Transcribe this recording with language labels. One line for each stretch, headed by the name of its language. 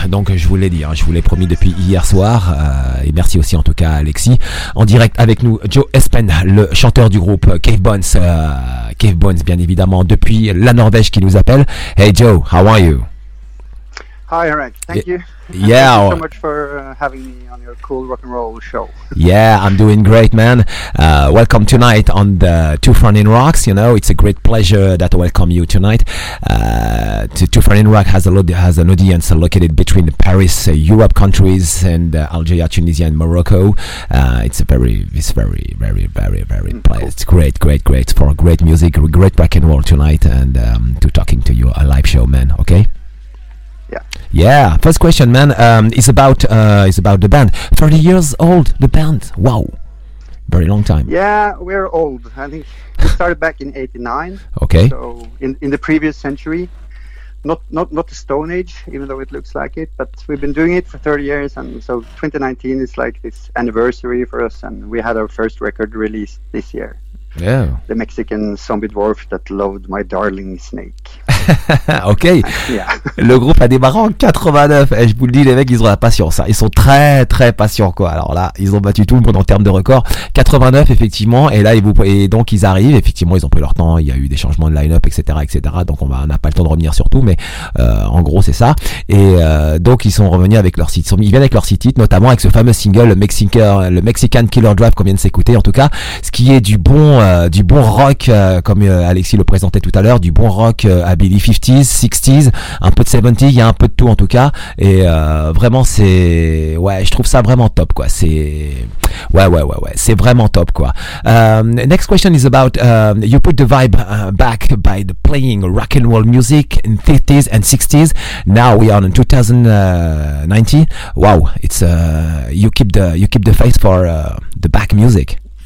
French: Donc je vous l'ai dit, hein, je vous l'ai promis depuis hier soir. Et merci aussi en tout cas à Alexis. En direct avec nous, Joe Espen, le chanteur du groupe Cave Bones. Cave Bones, bien évidemment, depuis la Norvège qui nous appelle.
English: Hey Joe, how are you? Hi Eric, thank you. Yeah. Thank you so much for having me on your cool rock and roll show. Yeah, I'm doing great, man. Welcome tonight on the Two Front in Rocks. You know, it's a great pleasure that I welcome you tonight. Two Front in Rock has an audience located between Paris, Europe countries, and Algeria, Tunisia, and Morocco. It's a very, very place. It's great for great music, great rock and roll tonight, and to talking to you a live show, man. Okay. Yeah. Yeah. First question, man. It's about the band. 30 years old, the band. Wow. Very long time. Yeah, we're old. I think we started back in 89. Okay. So in the previous century, not the Stone Age, even though it looks like it. But we've been doing it for 30 years, and so 2019 is like this anniversary for us, and we had our first record released this year. Yeah. The Mexican zombie dwarf that loved my darling snake.
French: Ok, le groupe a démarré en 89, et je vous le dis, les mecs, ils ont la patience, hein. Ils sont très très patients, quoi. Alors là, ils ont battu tout le monde en termes de record. 89 effectivement, et là ils arrivent, effectivement ils ont pris leur temps, il y a eu des changements de line-up, etc., etc., donc on n'a pas le temps de revenir sur tout, mais en gros c'est ça. Et donc ils sont revenus avec leur site, ils viennent avec leur site hit, notamment avec ce fameux single, le Mexican Killer Drive qu'on vient de s'écouter, en tout cas, ce qui est du bon rock, comme Alexis le présentait tout à l'heure, du bon rock habillé. 50s, 60s, un peu de 70s, il y a un peu de tout en tout cas, et vraiment c'est, ouais, je trouve ça vraiment top, quoi. C'est ouais, c'est vraiment top, quoi.
English: Next question is about you put the vibe back by the playing rock and roll music in 50s and 60s. Now we are in 2019. Wow, it's you keep the face for the back music.